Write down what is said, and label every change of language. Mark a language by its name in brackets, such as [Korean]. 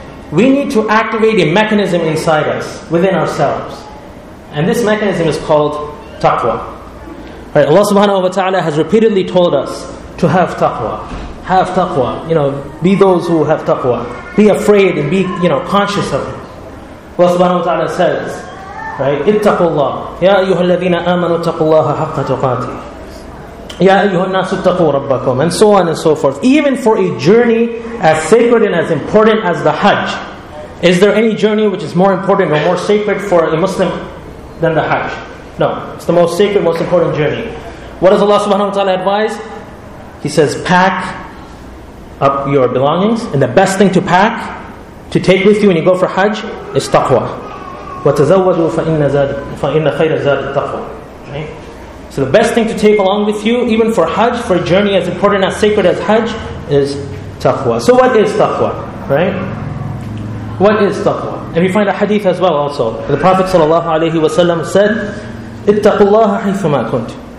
[English] We need to activate a mechanism inside us, within ourselves. And this mechanism is called taqwa. Right, Allah subhanahu wa ta'ala has repeatedly told us to have taqwa. Have taqwa. You know, be those who have taqwa. Be afraid and be, you know, conscious of it. Allah subhanahu wa ta'ala says, right, [Arabic] اِتَّقُوا اللَّهِ يَا أَيُّهَا الَّذِينَ آمَنُوا اتَّقُوا اللَّهَ حَقَّ تُقَاتِهِ يَا أَيُّهَا النَّاسُ اتَّقُوا رَبَّكُمْ, [English] and so on and so forth. Even for a journey as sacred and as important as the Hajj, is there any journey which is more important or more sacred for a Muslim than the Hajj? No. It's the most sacred, most important journey. What does Allah subhanahu wa ta'ala advise? He says, pack up your belongings, and the best thing to pack, to take with you when you go for Hajj, is taqwa. [Arabic] وَتَزَوَّدُوا فَإِنَّ خَيْرَ زَادِ التَّقْوَى. [English] So the best thing to take along with you, even for Hajj, for a journey as important as sacred as Hajj, is taqwa. So what is taqwa? Right? What is taqwa? And we find a hadith as well also. The Prophet ﷺ said, [Arabic] اِتَّقُوا اللَّهَ حَيْثُمَا كُنْتُ.